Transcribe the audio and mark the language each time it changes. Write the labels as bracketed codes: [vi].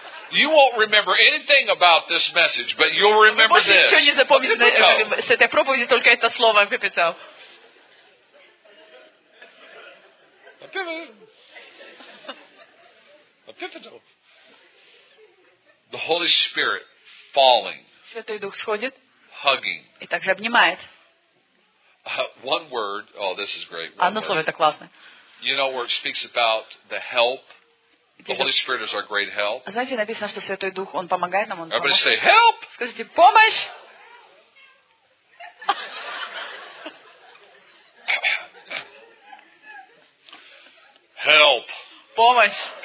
[en] You won't remember anything about this message, but you'll remember this. [ru] Больше ничего не запомнишь с этой проповеди, только это слово epipeto. [en] Epipeto. The Holy Spirit falling. [ru] Святой Дух сходит. [en] Hugging. [ru] И также обнимает. [en] One word. Oh, this is great. [ru] Одно слово это классное. [en] You know where it speaks about the help. The Holy Spirit is our great help. [ru] Знаете, написано, что Святой Дух, Он помогает нам, Он поможет. [en] Everybody say, help! [ru] Скажите, помощь! [en] Help! [ru] Помощь!